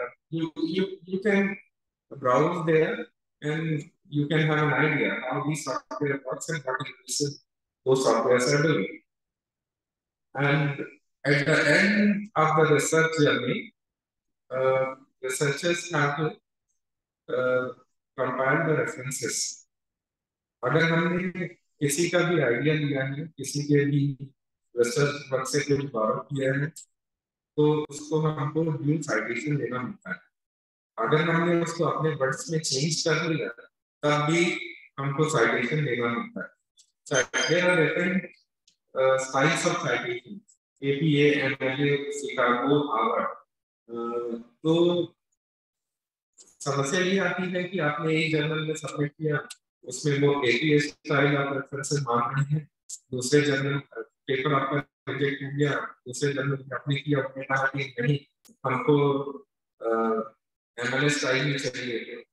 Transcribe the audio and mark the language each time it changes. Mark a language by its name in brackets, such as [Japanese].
[English] You can browse there and you can have an idea how these software works and what analysis those softwares are doing. And at the end of the research journey, researchers have to compile the references. [Hindi] अगर हमने किसी का भी idea लिया है, किसी के भी रिसर्च वर्क से कुछ बार किया है, तो उसको हमको न्यू साइटेशन देना होता है। अगर हमने उसको अपने वर्ड्स में चेंज कर लिया, तब भी हमको साइटेशन देना होता है। [English] There are different styles of citation, APA, MLA, Chicago, Harvard. [Hindi] तो समस्या ये आती है कि आपने एक जर्नल में सबमिट किया, उसमें वो APA स्टाइल आप रेफरेंस मान रहे हैं, दूसरे जर्नल पेपर आपका रिजेक्ट हो गया, दूसरे जर्नल आपने किया उसमें कहा कि नहीं हमको MLA स्टाइल में चाहिए।